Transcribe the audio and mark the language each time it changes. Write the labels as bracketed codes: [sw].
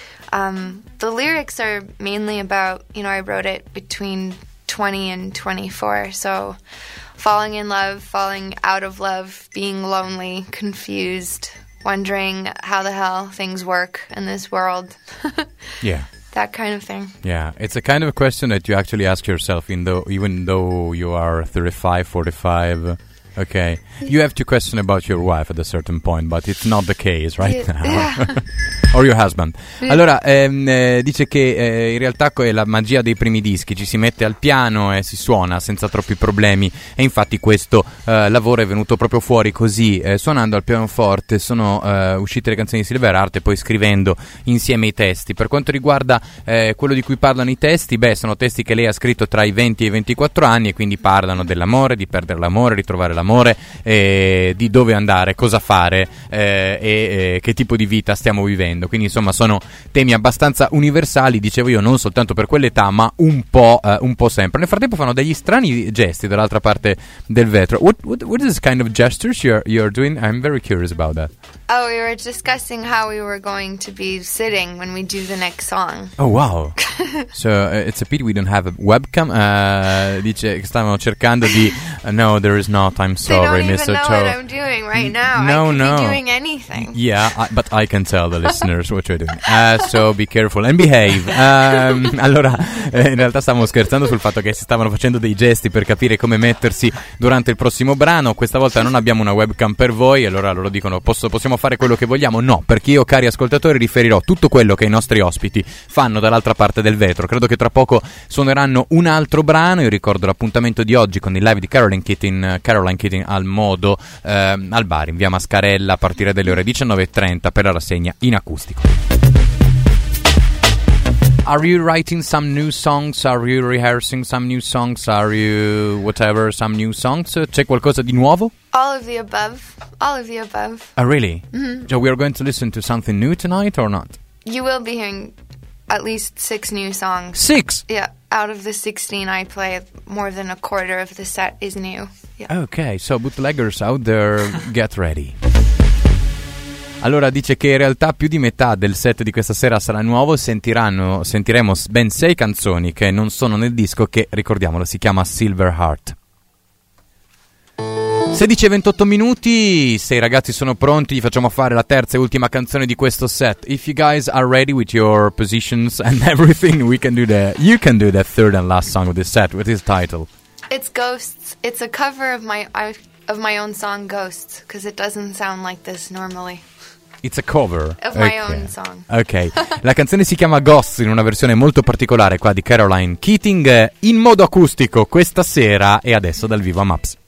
[en] The lyrics are mainly about, you know, I wrote it between 20 and 24, so falling in love, falling out of love, being lonely, confused, wondering how the hell things work in this world. Yeah. That kind of thing. Yeah, it's a kind of a question that you actually ask yourself even though you are 35, 45. Okay, you have to question about your wife at a certain point, but it's not the case right now. Yeah. Or your husband. [it] Allora, dice che in realtà è la magia dei primi dischi, ci si mette al piano e si suona senza troppi problemi, e infatti questo lavoro è venuto proprio fuori così, suonando al pianoforte sono uscite le canzoni di Silver Heart e poi scrivendo insieme i testi. Per quanto riguarda quello di cui parlano i testi, beh, sono testi che lei ha scritto tra i 20 e i 24 anni, e quindi parlano dell'amore, di perdere l'amore, di trovare l'amore, di dove andare, cosa fare che tipo di vita stiamo vivendo. Quindi insomma sono temi abbastanza universali, dicevo io, non soltanto per quell'età, ma un po' sempre. Nel frattempo fanno degli strani gesti dall'altra parte del vetro. [en] What is this kind of gestures you're doing? I'm very curious about that. Oh, we were discussing how we were going to be sitting when we do the next song. Oh, wow. So, it's a pity we don't have a webcam. [it] Dice che stavano cercando di... [en] no, there is not. I'm sorry, Mr. Cho. They don't even know what I'm doing right now. I could be doing anything. Yeah, but I can tell the listeners what you're doing. So, be careful and behave. [it] Allora, in realtà stavamo scherzando sul fatto che si stavano facendo dei gesti per capire come mettersi durante il prossimo brano. Questa volta non abbiamo una webcam per voi. Allora loro dicono, possiamo fare quello che vogliamo? No, perché io, cari ascoltatori, riferirò tutto quello che i nostri ospiti fanno dall'altra parte del vetro. Credo che tra poco suoneranno un altro brano. Io ricordo l'appuntamento di oggi con il live di Caroline Keating al Modo, al bar in via Mascarella, a partire dalle ore 19:30 per la rassegna in acustico. [en] Are you writing some new songs? Are you rehearsing some new songs? Are you whatever, some new songs? [it] C'è qualcosa di nuovo? [en] All of the above. All of the above. Oh, really? Mm-hmm. So we are going to listen to something new tonight or not? You will be hearing at least 6 new songs. 6? Yeah, out of the 16 I play, more than a quarter of the set is new. Yeah. Okay, so bootleggers out there, get ready. [it] Allora dice che in realtà più di metà del set di questa sera sarà nuovo. Sentiremo ben 6 canzoni che non sono nel disco, che ricordiamolo si chiama Silver Heart. 16:28 minuti, se i ragazzi sono pronti gli facciamo fare la terza e ultima canzone di questo set. [en] If you guys are ready with your positions and everything, you can do the third and last song of this set. What is the title? It's Ghosts. It's a cover of my own song Ghosts, because it doesn't sound like this normally. It's a cover of my own song. Okay. [it] La canzone si chiama Ghosts, in una versione molto particolare qua di Caroline Keating, in modo acustico questa sera e adesso dal vivo a Maps.